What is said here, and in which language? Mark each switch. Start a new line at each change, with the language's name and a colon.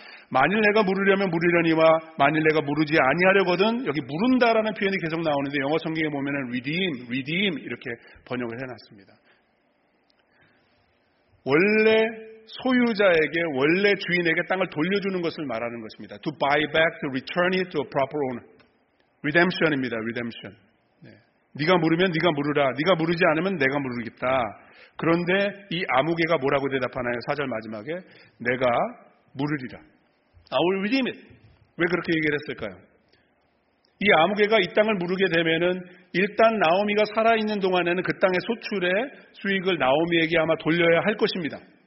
Korean: 만일 내가 물으려면 물으려니와 만일 내가 물으지 아니하려거든. 여기 물은다라는 표현이 계속 나오는데 영어 성경에 보면 redeem, redeem 이렇게 번역을 해놨습니다. 원래 소유자에게, 원래 주인에게 땅을 돌려주는 것을 말하는 것입니다.
English: To buy back, to return it to a proper owner.
Korean: Redemption입니다.
English: Redemption.
Korean: 네가 물으면 네가 물으라. 네가 물으지 않으면 내가 물으겠다. 그런데 이 아무개가 뭐라고 대답하나요? 4절 마지막에 내가 물으리라.
English: I will redeem it.
Korean: 왜 그렇게 얘기를 했을까요? 이 아무개가 이 땅을 물게 되면은 일단 나오미가 살아있는 동안에는 그 땅의 소출의 수익을 나오미에게 아마 돌려야 할 것입니다.